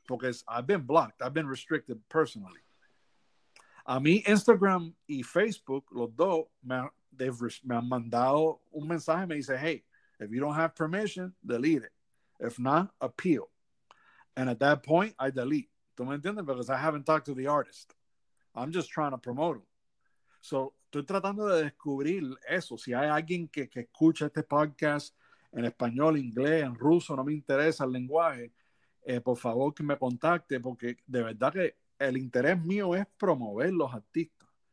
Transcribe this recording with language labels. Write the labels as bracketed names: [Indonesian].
[English] Because I've been blocked. I've been restricted personally. [Spanish] A mí, Instagram y Facebook, los dos, me han mandado un mensaje. Me dice, [English] hey, if you don't have permission, delete it. If not, appeal. And at that point, I delete. [Spanish] ¿Tú me entiendes? [English] Because I haven't talked to the artist. I'm just trying to promote him. [Spanish] So, estoy tratando de descubrir eso. Si hay alguien que escucha este podcast en español, inglés, en ruso, no me interesa el lenguaje, por favor que me contacte, porque de verdad que el interés mío es promover los artistas.